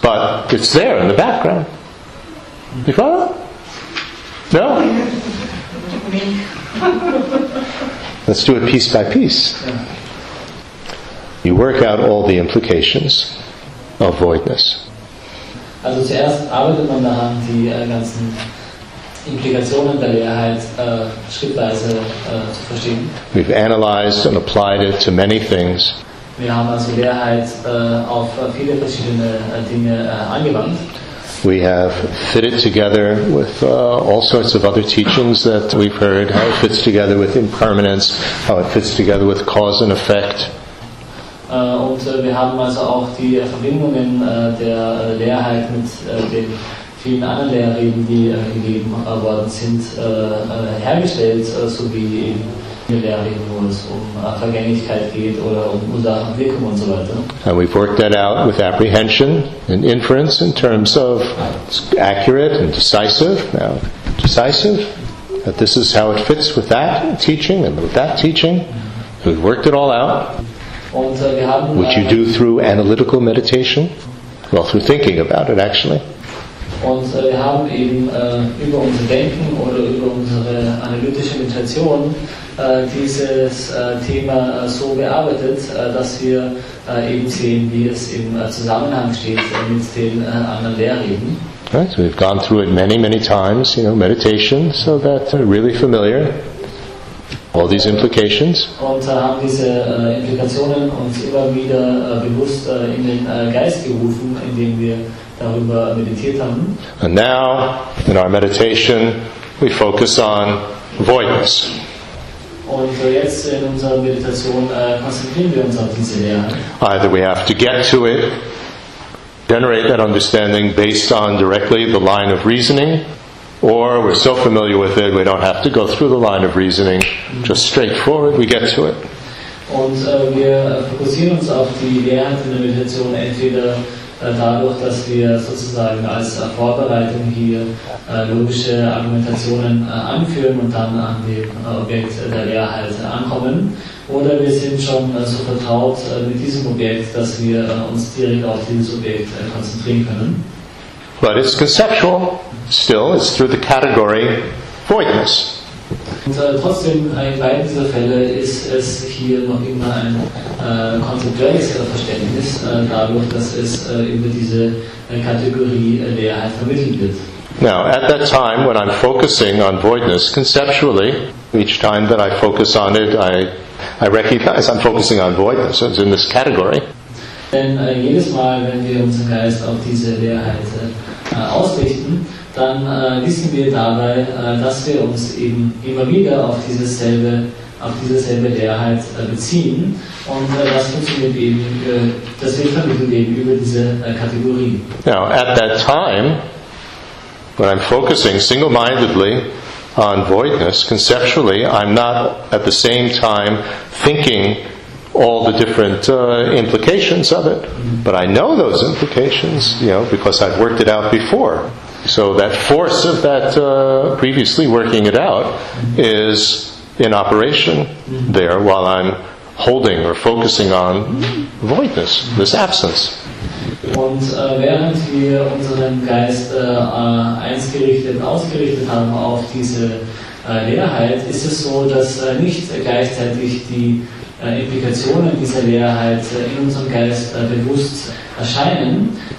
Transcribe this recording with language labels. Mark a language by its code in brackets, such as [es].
[en] But it's there in the background. You follow? No? Let's do it piece by piece. You work out all the implications of voidness. [de] Also zuerst arbeitet man daran, die ganzen Implikationen der Leerheit schrittweise zu verstehen. [en] We've analyzed and applied it to many things. [de] Wir haben also Leerheit auf viele verschiedene Dinge angewandt. [en] We have fit it together with all sorts of other teachings that we've heard, how it fits together with impermanence, how it fits together with cause and effect. [de] Und wir haben also auch die Verbindungen der Leerheit mit den vielen anderen Lehrreden, die gegeben worden sind, hergestellt, so wie in den Lehrreden, wo es um Vergänglichkeit geht oder um Ursachen, Wirkung und so weiter. [en] And we've worked that out with apprehension and inference in terms of accurate and decisive. Now, decisive, that this is how it fits with that teaching and with that teaching. We've worked it all out. Which you do through analytical meditation, well, through thinking about it, actually. [de] Und wir haben eben über unser Denken oder über unsere analytische Meditation dieses Thema so bearbeitet, dass wir eben sehen, wie es im Zusammenhang steht mit den anderen Lehrreden. [en] Right, so we've gone through it many, many times, you know, meditation, so that really familiar. All these implications. [de] Und haben diese Implikationen uns immer wieder bewusst in den Geist gerufen, indem wir darüber meditiert haben. [en] And now, in our meditation, we focus on voidness. [de] Und jetzt in unserer Meditation konzentrieren wir uns auf diese Leerheit. [en] Either we have to get to it, generate that understanding based on directly the line of reasoning, or we're so familiar with it, we don't have to go through the line of reasoning, just straightforward, we get to it. [de] Und wir fokussieren uns auf die Lehrheit in der Meditation entweder dadurch, dass wir sozusagen als Vorbereitung hier logische Argumentationen anführen und dann an dem Objekt der Lehrheit ankommen, oder wir sind schon so vertraut mit diesem Objekt, dass wir uns direkt auf dieses Objekt konzentrieren können. [en] But it's conceptual. Still, it's through the category voidness. [de] Und trotzdem, in beiden dieser Fälle ist es hier noch immer ein konzeptuelles Verständnis, dadurch, dass es über diese Kategorie Leerheit vermittelt wird. [en] Now, at that time, when I'm focusing on voidness conceptually, Each time that I focus on it, I recognize I'm focusing on voidness, so it's in this category. [de] Denn jedes Mal, wenn wir unseren Geist auf diese Leerheit ausrichten, dann wissen wir dabei, dass wir uns eben immer wieder auf dieselbe Leerheit beziehen. Und das funktioniert eben, das wird vermittelt eben über diese Kategorie. [en] Now, at that time, when I'm focusing single-mindedly on voidness, conceptually, I'm not at the same time thinking all the different implications of it. But I know those implications, you know, because I've worked it out before. So that force of that previously working it out is in operation there while I'm holding or focusing on voidness, this absence. [de] Und während wir unseren Geist eingerichtet, ausgerichtet haben auf diese Leerheit, ist es so, dass nicht gleichzeitig die Implikationen dieser Leerheit in unserem Geist bewusst erscheinen.